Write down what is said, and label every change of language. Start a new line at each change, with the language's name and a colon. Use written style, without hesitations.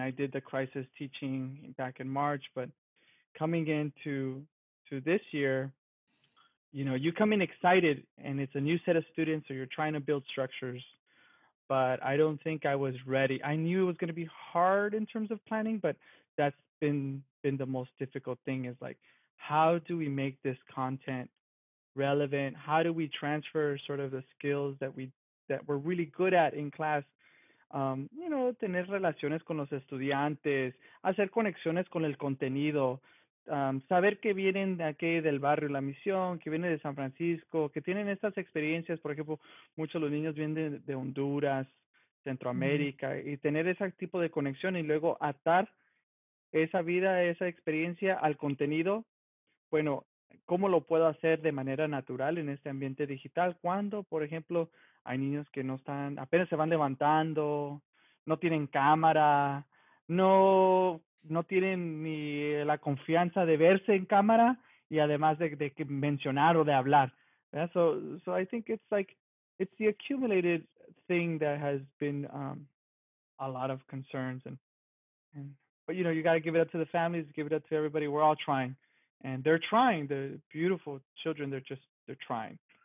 English: I did the crisis teaching back in March, but coming into this year, you come in excited and it's a new set of students, so you're trying to build structures, but I don't think I was ready. I knew it was going to be hard in terms of planning, but that's been the most difficult thing is like, how do we make this content relevant? How do we transfer sort of the skills that we're really good at in class?
Spanish: Tener relaciones con los estudiantes, hacer conexiones con el contenido, saber que vienen de aquí del barrio La Misión, que vienen de San Francisco, que tienen estas experiencias, por ejemplo, muchos de los niños vienen de Honduras, Centroamérica, y tener ese tipo de conexión y luego atar esa vida, esa experiencia al contenido, bueno, ¿cómo lo puedo hacer de manera natural en este ambiente digital? Cuando, por ejemplo, hay niños que no están, apenas se van levantando, no tienen cámara, no tienen ni la confianza de verse en cámara y además de mencionar o de hablar.
English: Yeah, so I think it's like, it's the accumulated thing that has been a lot of concerns. But you got to give it up to the families, give it up to everybody. We're all trying. And they're trying, the beautiful children, they're trying.